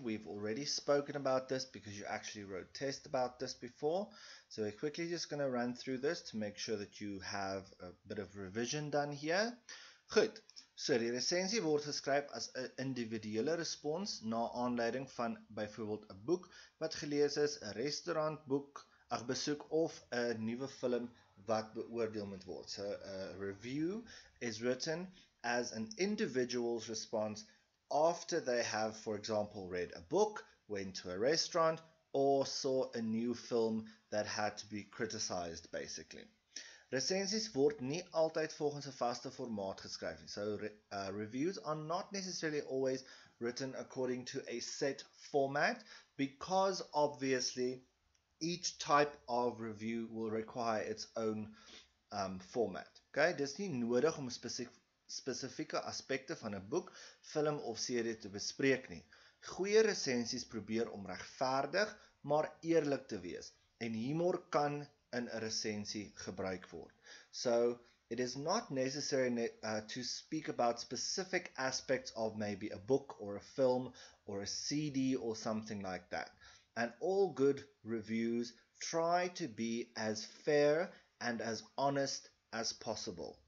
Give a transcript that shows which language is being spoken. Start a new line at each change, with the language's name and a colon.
English: We've already spoken about this because you actually wrote test about this before. So we're quickly just going to run through this to make sure that you have a bit of revision done here.
Afrikaans: Goed, so die resensie word geskryf as 'n individuele respons na aanleiding van byvoorbeeld 'n boek wat gelees is, 'n restaurantboek, 'n besoek of 'n nuwe film wat beoordeel moet word.
English: So a review is written as an individual's response after they have, for example, read a book, went to a restaurant, or saw a new film that had to be criticized, basically.
Afrikaans: Resensies word nie altyd volgens 'n vaste formaat geskryf nie.
English: So reviews are not necessarily always written according to a set format, because obviously each type of review will require its own format.
Afrikaans: Okay, dis nie nodig om spesifieke aspekte van 'n boek, film of serie te bespreek nie. Goeie resensies probeer om regverdig, maar eerlik te wees. En humor kan in 'n resensie gebruik word.
English: So, it is not necessary to speak about specific aspects of maybe a book or a film or a CD or something like that. And all good reviews try to be as fair and as honest as possible.